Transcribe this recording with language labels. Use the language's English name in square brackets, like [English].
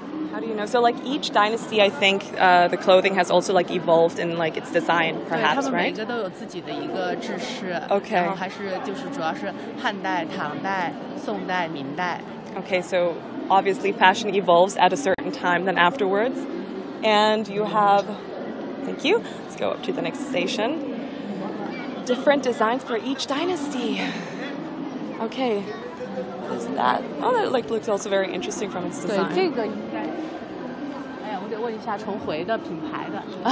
[English] How do you know? So like each dynasty, I think the clothing has also like evolved in like its design, perhaps, right? [Chinese] 对，他们每个都有自己的一个制式。 [English] Okay. [Chinese] 然后还是就是主要是汉代、唐代、宋代、明代。 [English] Okay, so obviously fashion evolves at a certain time than afterwards. And you have, thank you, let's go up to the next station. Different designs for each dynasty. Okay, what is that? Oh, that like looks also very interesting from its design. [Chinese] 对，这个问一下重回的品牌的，